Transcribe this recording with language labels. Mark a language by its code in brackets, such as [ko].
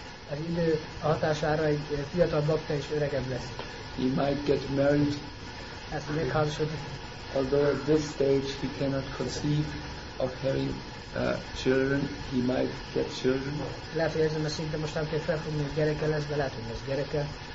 [hu] Az idő hatására egy fiatal bhakta is öregebb lesz. [en] He might get married. [hu] Ez megházasodni. [en] Although at this stage he cannot conceive of having children, he might get children. [hu] Lehet, hogy ezen a szinten most nem kell felfogni, hogy gyereke lesz, de lehet, hogy lesz gyereke.